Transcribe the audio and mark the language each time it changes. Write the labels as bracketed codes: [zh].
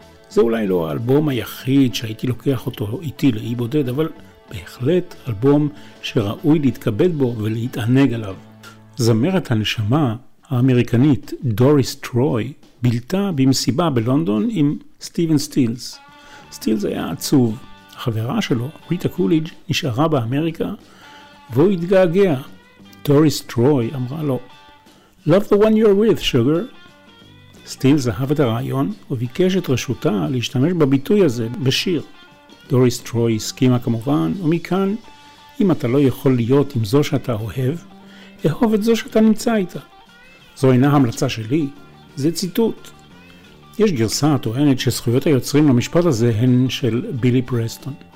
[he] זה אולי לא האלבום היחיד שהייתי לוקח אותו איתי לאי בודד, אבל בהחלט אלבום שראוי להתכבד בו ולהתענג עליו. זמרת הנשמה האמריקנית דוריס טרוי בילתה במסיבה בלונדון עם סטיבן סטילס. סטילס היה עצוב. החברה שלו, ריטה קוליג', נשארה באמריקה והוא התגעגע. דוריס טרוי אמרה לו, [en] "Love the one you're with, sugar." [he] סטילס אהב את הרעיון וביקש את רשותה להשתמש בביטוי הזה בשיר. דוריס טרוי הסכימה כמובן, ומכאן, אם אתה לא יכול להיות עם זו שאתה אוהב, אהוב את זו שאתה נמצא איתה. זו אינה המלצה שלי, זה ציטוט. יש גרסה הטוענת שזכויות היוצרים למשפט הזה הן של בילי פרסטון.